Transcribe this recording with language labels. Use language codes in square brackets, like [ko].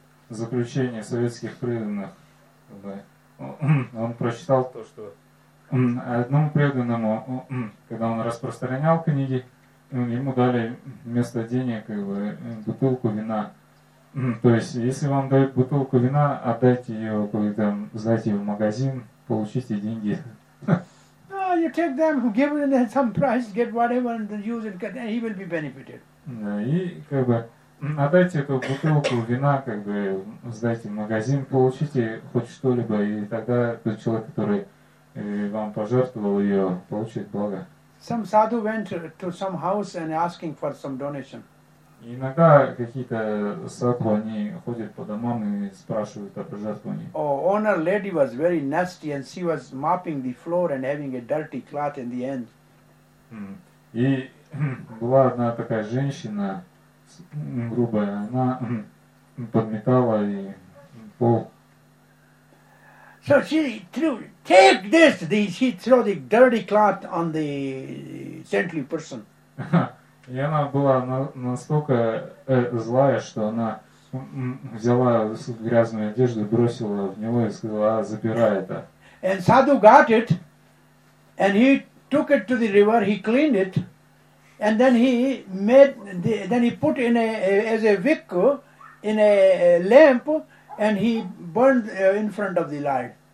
[ru] Заключение советских преданных. Он прочитал то, что одному преданному, когда он распространял книги, ему дали вместо денег бутылку вина. То есть, если вам дают бутылку вина, отдайте ее, сдайте ее в магазин, получите деньги. [en] No, you take them, give them some price, get whatever and use it, he will be benefited. [ru] Да, и как бы отдайте эту бутылку вина, как бы сдайте в магазин, получите хоть что-либо, и тогда тот человек, который вам пожертвовал ее, получит благо. [en] Some sadhu went to some house and asking for some donation. [ru] Иногда какие-то садху, они ходят по домам и спрашивают о пожертвовании. [en] Oh, owner lady was very nasty and she was mopping the floor and having a dirty cloth in the end. [ru] И была одна такая женщина, грубая, она подметала и пол. [en] So she threw, take this, she threw the dirty cloth on the saintly person. [ru] И она была настолько злая, что она взяла грязную одежду, бросила в него и сказала, а, забирай это. [en] And sadhu got it, and he took it to the river, he cleaned it. And then he made, then he put in as a wick, in a lamp, and he burned in front of the Lord.